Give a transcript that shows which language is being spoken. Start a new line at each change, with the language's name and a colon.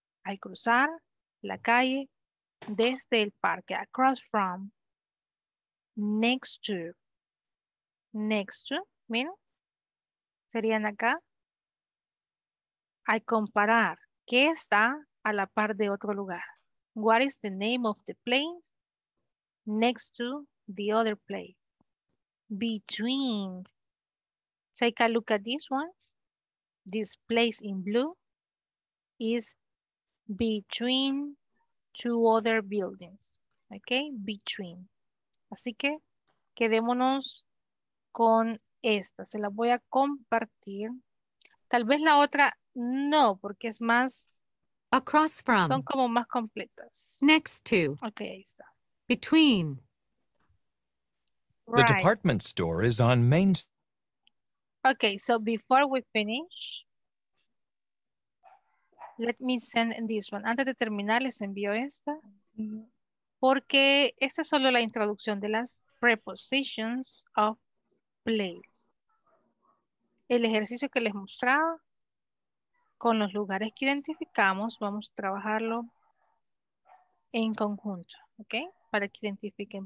Spanish: Al cruzar la calle desde el parque.
English: Across from, next to.
Spanish: Next to, miren, serían acá. Al comparar. ¿Qué está a la par de otro lugar?
English: What is the name of the place next to the other place? Between. Take a look at these ones. This place in blue is between two other buildings.
Spanish: Okay, between. Así que quedémonos con esta. Se la voy a compartir. Tal vez la otra... No, porque es más...
English: Across from.
Spanish: Son como más completas.
English: Next to.
Spanish: Okay, ahí está.
English: Between. Right. The department store is on Main... Okay, so before we finish, let me send this one.
Spanish: Antes de terminar, les envío esta. Porque esta es solo la introducción de las prepositions of place. El ejercicio que les mostraba con los lugares que identificamos, vamos a trabajarlo en conjunto, ¿ok? Para que identifiquen.